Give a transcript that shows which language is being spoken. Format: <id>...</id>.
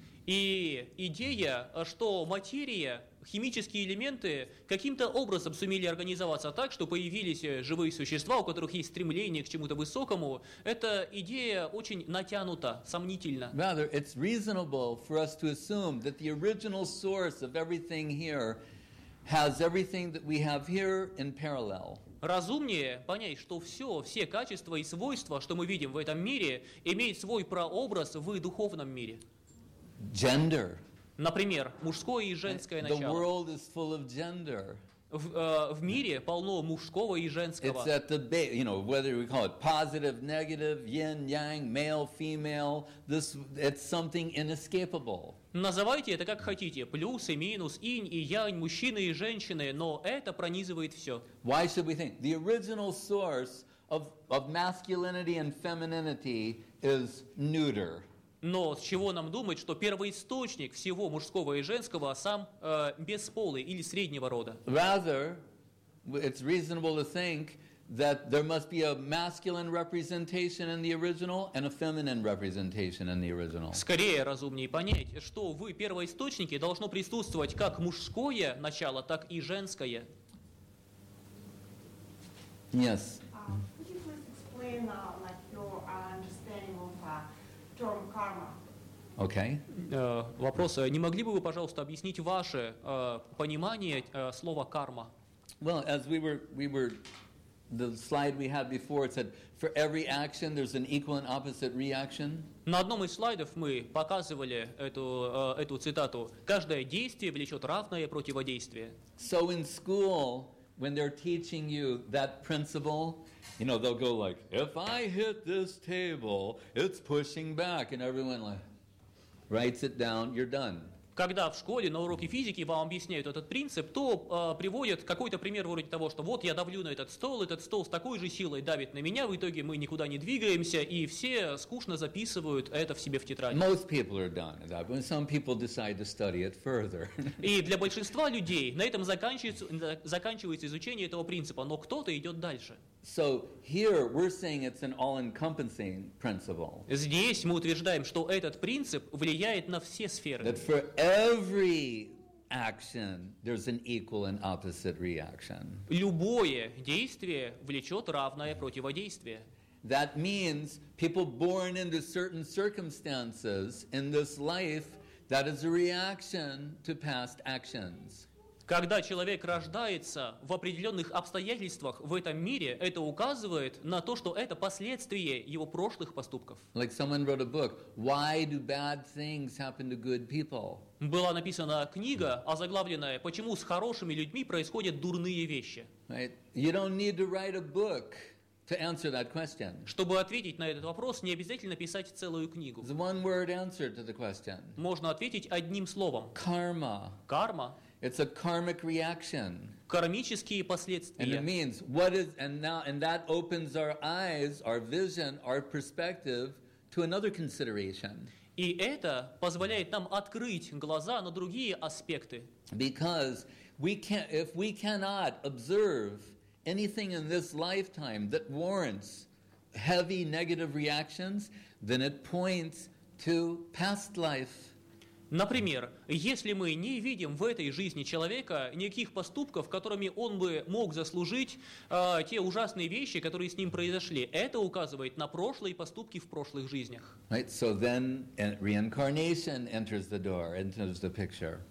<ru>И идея, что материя, химические элементы каким-то образом сумели организоваться так, что появились живые существа, у которых есть стремление к чему-то высокому, эта идея очень натянута, сомнительна.</ru> <en>Rather, it's reasonable for us to assume that the original source of everything here has everything that we have here in parallel.</en> <ru>разумнее понять, что все, все качества и свойства, что мы видим в этом мире, имеют свой прообраз в духовном мире.</ru> <en>Gender.</en> <ru>Например, мужское и женское начало.</ru> <en>The world is full of gender.</en> <ru>В мире полно мужского и женского.</ru> <en>It's at the base, you know, whether we call it positive, negative, yin, yang, male, female, this, it's something inescapable.</en> <ru>Называйте это как хотите, плюс и минус, инь и янь, мужчины и женщины, но это пронизывает все.</ru> <en>Why should we think? The original source of masculinity and femininity is neuter.</en> <ru>Но с чего нам думать, что первоисточник всего мужского и женского сам бесполый или среднего рода?</ru> <en>Rather, it's reasonable to think that there must be a masculine representation in the original and a feminine representation in the original.</en> <ru>Скорее разумнее понять, что в первоисточнике должно присутствовать как мужское начало, так и женское.</ru> <en>Yes. Could you please explain your understanding of karma. Okay.</en> <ru>Вопрос. Не могли бы вы, пожалуйста, объяснить ваше понимание слова карма?</ru> <en>Well, as we were, the slide we had before, it said, for every action, there's an equal and opposite reaction.</en> <ru>На одном из слайдов мы показывали эту цитату. Каждое действие влечет равное противодействие.</ru> <en>So in school, when they're teaching you that principle, you know, they'll go like, if I hit this table, it's pushing back. And everyone like writes it down, you're done.</en> <ru>Когда в школе на уроке физики вам объясняют этот принцип, то приводят какой-то пример вроде того, что вот я давлю на этот стол с такой же силой давит на меня, в итоге мы никуда не двигаемся, и все скучно записывают это в себе в тетради.</ru> <en>Most people are done with that, but some people decide to study it further.</en> <ru>И для большинства людей на этом заканчивается изучение этого принципа, но кто-то идет дальше.</ru> <en>So here we're saying it's an all-encompassing principle.</en> <ru>Здесь мы утверждаем, что этот принцип влияет на все сферы.</ru> <en>That for every action there's an equal and opposite reaction.</en> <ru>Любое действие влечет равное противодействие.</ru> <en>That means people born into certain circumstances in this life, that is a reaction to past actions.</en> <ru>Когда человек рождается в определенных обстоятельствах в этом мире, это указывает на то, что это последствия его прошлых поступков.</ru> <en>Like someone wrote a book, Why do bad things happen to good people?</en> <ru>Была написана книга, озаглавленная «Почему с хорошими людьми происходят дурные вещи?»</ru> <en>You don't need to write a book to answer that question.</en> <ru>Чтобы ответить на этот вопрос, не обязательно писать целую книгу.</ru> <en>The one word answer to the question.</en> <ru>Можно ответить одним словом.</ru> <en>Karma.</en> <ru>Карма.</ru> <en>It's a karmic reaction.</en> <ru>Кармические последствия.</ru> <en>And it means what is and now and that opens our eyes, our vision, our perspective to another consideration.</en> <ru>И это позволяет нам открыть глаза на другие аспекты.</ru> <en>Because if we cannot observe anything in this lifetime that warrants heavy negative reactions, then it points to past life.</en> <ru>Например, если мы не видим в этой жизни человека никаких поступков, которыми он бы мог заслужить те ужасные вещи, которые с ним произошли, это указывает на прошлые поступки в прошлых жизнях.</ru> <en>Right, so then reincarnation enters the door, enters the picture.</en>